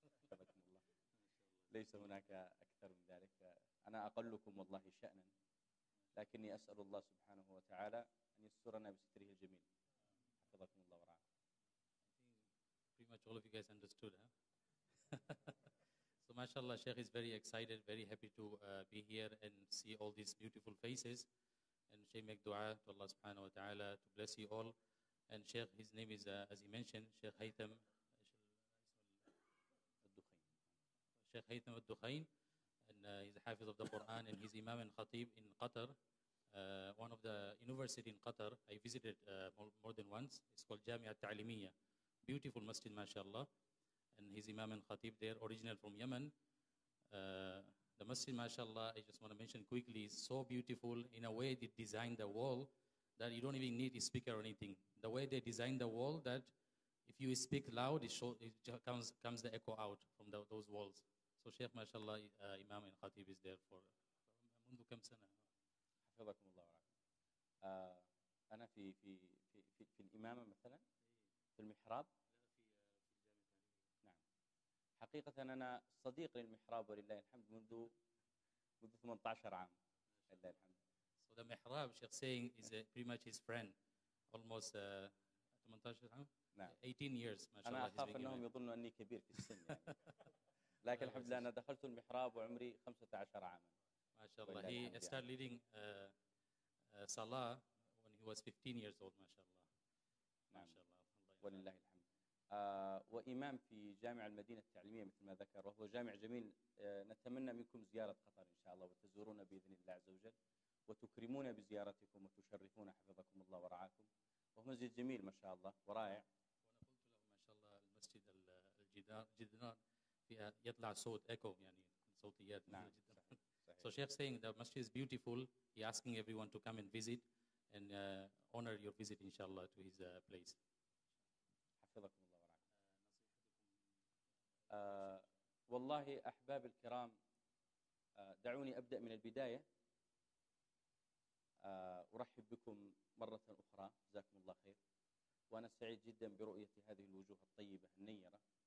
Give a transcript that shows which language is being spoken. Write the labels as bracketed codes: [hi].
[ar] حفظكم الله، ليس هناك أكثر من ذلك، أنا أقلكم والله شأنا، لكني أسأل الله سبحانه وتعالى أن يسترنا بستره الجميل. حفظكم الله ورعاكم. [en] I think pretty much all of you guys understood, huh? So, mashallah, Sheikh is very excited, very happy to be here and see all these beautiful faces. And Sheikh make dua to Allah subhanahu wa ta'ala to bless you all. And Sheikh, his name is, as he mentioned, Sheikh Haytham al-Dukhain. Sheikh Haytham al-Dukhain. And he's a hafiz of the Quran and he's imam and khatib in Qatar. One of the university in Qatar, I visited more than once. It's called Jamia Ta'limiyya. Beautiful masjid, mashallah. And his imam and khatib there, original from Yemen. The masjid, mashallah, I just want to mention quickly, is so beautiful in a way they designed the wall that you don't even need a speaker or anything. The way they designed the wall that if you speak loud, it comes the echo out from those walls. So Sheikh, mashallah, imam and khatib is there for [ar] منذ كم سنة. حفظكم الله ورعاكم. أنا في في في في الإمامة مثلاً في المحراب. لا في الجامعة الثانية. نعم. حقيقة أنا صديق للمحراب ولله الحمد منذ 18 عام. لله الحمد. [en] So the محراب شيخ saying is pretty much his friend almost 18 عام. [ar] نعم. 18 years ما شاء الله. أنا أخاف أنهم يظنوا أني كبير في السن يعني. لكن الحمد لله أنا دخلت المحراب وعمري 15 عاماً. [en] MashaAllah, he started leading Salah when he was 15 years old, MashaAllah. [ar] MashaAllah. ولله الحمد. وإمام في جامع المدينة التعليمية مثل ما ذكر، وهو جامع جميل. نتمنى منكم زيارة قطر إن شاء الله، وتزورونا بإذن الله عز وجل، وتكرمونا بزيارتكم وتشرفونا حفظكم الله ورعاكم. وهو مسجد جميل ما شاء الله ورائع. وأنا قلت له ما شاء الله المسجد الجدار فيها يطلع صوت إيكو يعني صوتيات. نعم جدا. [en] So Sheikh saying the masjid is beautiful. He asking everyone to come and visit and honor your visit, inshallah, to his place. [ar] حفظكم الله ورعاكم. والله أحباب الكرام دعوني أبدأ من البداية. أرحب بكم مرة أخرى. جزاكم الله خير. وأنا سعيد جدا برؤية هذه الوجوه الطيبة النيرة.